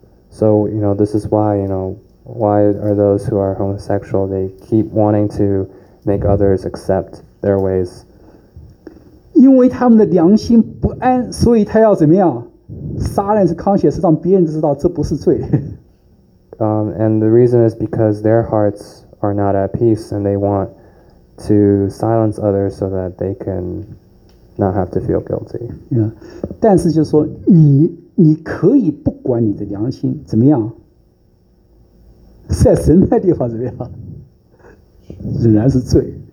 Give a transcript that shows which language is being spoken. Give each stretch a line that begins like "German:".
English: So you know, this is why, you know, why are those who are homosexual, they keep wanting to make others accept their ways?
Chinese: 因为他们的良心不安，所以他要怎么样
English: silence conscience，
Chinese: 让别人知道这不是罪。
English: And the reason is because their hearts are not at peace, and they want to silence others so that they can not have to feel guilty. Yeah.
Chinese: 但是就是说你可以不管你的良心怎么样，在神的地方怎么样，仍然是罪。